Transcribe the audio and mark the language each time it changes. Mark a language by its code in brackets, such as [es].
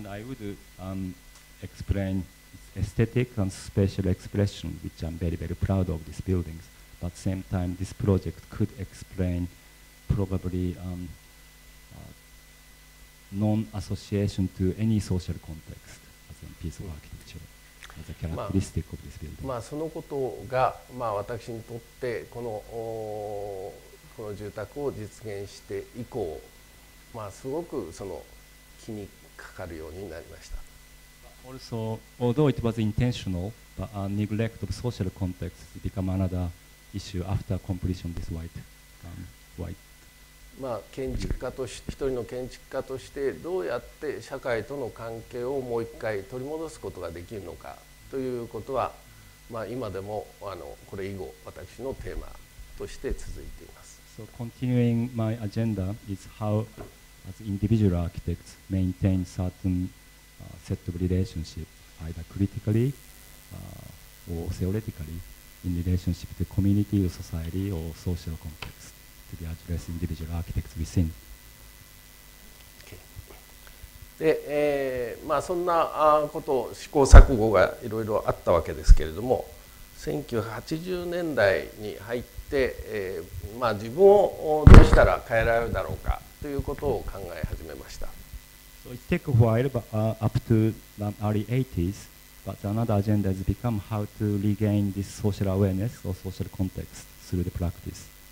[en] On one hand, I would, explainAesthetic and spatial expression, which I'm very, very proud of these buildings. But at the same time, this project could explain probably non-association to any social context as a piece of architecture, as a characteristic of this building. [ja] まあそのことが、まあ、私にとってこの住宅を実現して以降、まあ、すごくその気にかかるようになりました。 [en] Also, although it was intentional, but a neglect of social context became another issue after completion of this white, white. [ja] まあ建築家として一人の建築家としてどうやって社会との関係をもう一回取り戻すことができるのかということは、まあ今でもこれ以後私のテーマとして続いています。 [en] So continuing my agenda is how, as individual architects, maintain certain. Set of relationship, either critically or theoretically, in relationship to community or society or social context, to be addressed individual architects within. Okay. [ja] で、まあそんなこと試行錯誤がいろいろあったわけですけれども、1980年代に入って、まあ自分をどうしたら変えられるだろうかということを考え始めました。 [en] So it takes a while, but up to the early 80s, but another agenda has become how to regain this social awareness or social context through the practice.